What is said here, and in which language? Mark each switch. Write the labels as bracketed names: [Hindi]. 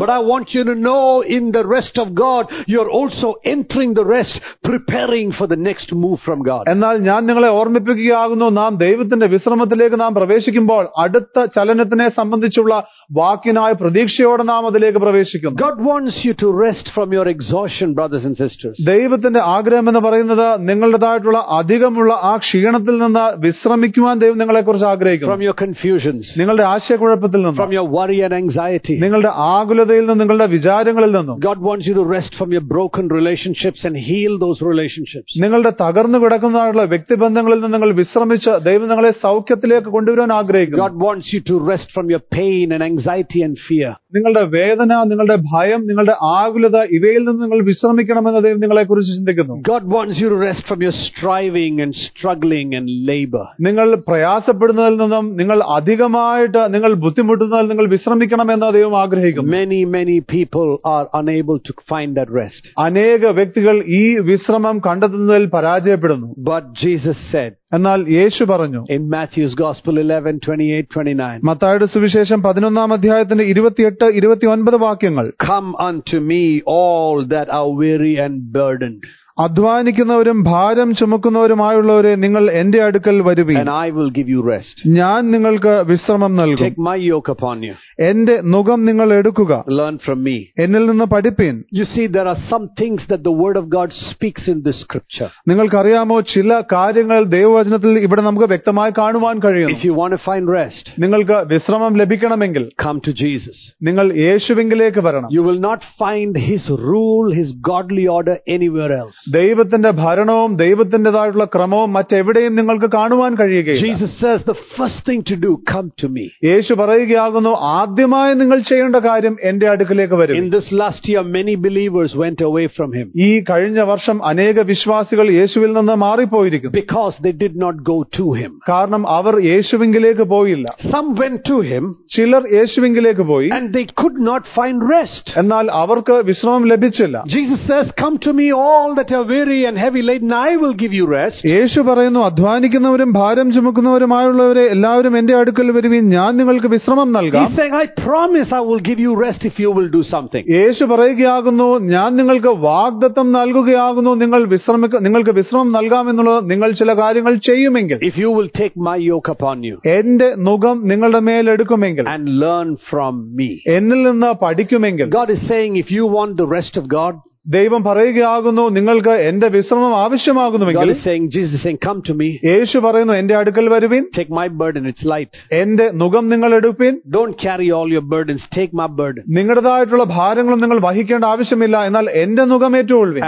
[English] But I want you to know, in the rest of God, you are also entering the rest preparing for the next move from God. [Malayalam] എന്നാൽ ഞാൻ നിങ്ങളെ ഓർമ്മിപ്പിക്കുകയാകുന്നു, നാം ദൈവത്തിന്റെ വിശ്രമത്തിലേക്ക് നാം പ്രവേശിക്കുമ്പോൾ അടുത്ത ചലനത്തിനെ സംബന്ധിച്ചുള്ള വാക്കിനായ പ്രതീക്ഷയോടെ നാം അതിലേക്ക് പ്രവേശിക്കുന്നു. [English] God wants you to rest from your exhaustion, brothers and sisters. [Malayalam] ദൈവത്തിന്റെ ആഗ്രഹം എന്ന് പറയുന്നത് നിങ്ങളുടേതായിട്ടുള്ള അധികമുള്ള ആ ക്ഷീണത്തിൽ നിന്ന് വിശ്രമിക്കുവാൻ ദൈവം നിങ്ങളെ കുറിച്ച് ആഗ്രഹിക്കുന്നു. [English] From your confusions. [Malayalam] നിങ്ങളുടെ ആശയക്കുഴപ്പത്തിൽ നിന്ന്. [English] From your worry and anxiety. [Malayalam] നിങ്ങളുടെ ആകുലതയിൽ നിന്നും നിങ്ങളുടെ വിചാരങ്ങളിൽ നിന്നും. [English] God wants you to rest from your broken relationships and heal those relationships. [Malayalam] നിങ്ങളുടെ തകർന്നു കിടക്കുന്നതായിട്ടുള്ള വ്യക്തിബന്ധങ്ങളിൽ നിന്ന് നിങ്ങൾ വിശ്രമിച്ച് ദൈവം നിങ്ങളെ സൗഖ്യത്തിലേക്ക് കൊണ്ടുവരാൻ ആഗ്രഹിക്കുന്നു. [English] God wants you to rest from your pain and anxiety and fear. [Malayalam] നിങ്ങളുടെ വേദന, നിങ്ങളുടെ ഭയം, നിങ്ങളുടെ ആകുലത ഇവയിൽ നിന്ന് നിങ്ങൾ വിശ്രമിക്കണമെന്ന് ദൈവം നിങ്ങളെ കുറിച്ച് ചിന്തിക്കുന്നു. [English] God wants you to rest from your striving and struggling and labor. [Malayalam] നിങ്ങൾ പ്രയാസപ്പെടുന്നതിൽ നിന്നും നിങ്ങൾ അധികമായിട്ട് നിങ്ങൾ ബുദ്ധിമുട്ടുന്നതിൽ നിങ്ങൾ വിശ്രമിക്കണമെന്ന് ദൈവം ആഗ്രഹിക്കുന്നു. [English] Many people are unable to find that rest. [Malayalam] അനേക വ്യക്തികൾ ഈ വിശ്രമം കണ്ടെത്തുന്നതിൽ പരാജയപ്പെടുന്നു. [English] But Jesus said, [Malayalam] എന്നാൽ യേശു പറഞ്ഞു, [English] in Matthew's Gospel 11:28-29, [Malayalam] മത്തായിയുടെ സുവിശേഷം 11-ാം അധ്യായത്തിന്റെ 28-29 വാക്യങ്ങൾ, [English] come unto me all that are weary and burdened, [Malayalam] അധ്വാനിക്കുന്നവരും ഭാരം ചുമക്കുന്നവരുമായുള്ളവരെ, നിങ്ങൾ എന്റെ അടുക്കൽ വരുവീൻ, ഞാൻ നിങ്ങൾക്ക് വിശ്രമം നൽകും. [English] Take my yoke upon you. [Malayalam] എന്റെ നുകം നിങ്ങൾ എടുക്കുക. [English] Learn from me. [Malayalam] എന്നിൽ നിന്ന് പഠിപ്പീൻ. [English] You see, there are some things that the word of God speaks in this scripture. [Malayalam] നിങ്ങൾക്കറിയാമോ, ചില കാര്യങ്ങൾ ദൈവവചനത്തിൽ ഇവിടെ നമുക്ക് വ്യക്തമായി കാണുവാൻ കഴിയും. [English] If you want to find rest, [Malayalam] നിങ്ങൾക്ക് വിശ്രമം ലഭിക്കണമെങ്കിൽ, [English] come to Jesus. [Malayalam] നിങ്ങൾ യേശുവിങ്കിലേക്ക് വരണം. [English] You will not find his rule, his godly order anywhere else. [Malayalam] ദൈവത്തിന്റെ ഭരണവും ദൈവത്തിന്റേതായിട്ടുള്ള ക്രമവും മറ്റെവിടെയും നിങ്ങൾക്ക് കാണുവാൻ കഴിയുകയില്ല. [English] Jesus says, the first thing to do, come to me. [Malayalam] യേശു പറയുകയാകുന്നു, ആദ്യമായി നിങ്ങൾ ചെയ്യേണ്ട കാര്യം എന്റെ അടുക്കലേക്ക് വരും. [English] In this last year, many believers went away from him. [Malayalam] ഈ കഴിഞ്ഞ വർഷം അനേക വിശ്വാസികൾ യേശുവിൽ നിന്ന് മാറിപ്പോയിരിക്കുന്നു. [English] Because they did not go to him. [Malayalam] കാരണം അവർ യേശുവിങ്കിലേക്ക് പോയില്ല. [English] Some went to him. [Malayalam] ചിലർ യേശുവിങ്കിലേക്ക് പോയി. [English] And they could not find rest. [Malayalam] എന്നാൽ അവർക്ക് വിശ്രമം ലഭിച്ചില്ല. [English] Jesus says, come to me all that are weary and heavy laden, I will give you rest. [Malayalam] യേശു പറയുന്നു, അധ്വാനിക്കുന്നവരും ഭാരം ചുമക്കുന്നവരുമായുള്ളവരെ, എല്ലാവരും എന്റെ അടുക്കൽ വരുവീൻ, ഞാൻ നിങ്ങൾക്ക് വിശ്രമം നൽകാം. [English] He said, I promise I will give you rest if you will do something. [Malayalam] യേശു പറയുകയാകുന്നു, ഞാൻ നിങ്ങൾക്ക് വാഗ്ദത്തം നൽകുകയാകുന്നു, നിങ്ങൾക്ക് വിശ്രമം നൽകാമെന്നുള്ളത് നിങ്ങൾ ചില കാര്യങ്ങൾ ചെയ്യുമെങ്കിൽ. [English] If you will take my yoke upon you. [Malayalam] എന്റെ നുകം നിങ്ങളുടെ മേൽ എടുക്കുമെങ്കിൽ. [English] And learn from me. [Malayalam] എന്നിൽ നിന്ന് പഠിക്കുമെങ്കിൽ. [English] God is saying, if you want the rest of God, [Malayalam] ദൈവം പറയുകയാകുന്നു, നിങ്ങൾക്ക് എന്റെ വിശ്രമം ആവശ്യമാകുന്നുവെങ്കിൽ. [English] God is saying, Jesus is saying, come to me. [Malayalam] യേശു പറയുന്നു, എന്റെ അടുക്കൽ വരുവീൻ. [English] Take my burden, it's light. [Malayalam] എന്റെ നുകം നിങ്ങൾ എടുപ്പീൻ. [English] Don't carry all your burdens, take my burden. [Malayalam] നിങ്ങളുടേതായിട്ടുള്ള ഭാരങ്ങളും നിങ്ങൾ വഹിക്കേണ്ട ആവശ്യമില്ല, എന്നാൽ എന്റെ നുകം ഏറ്റുകൊള്ളുവീൻ.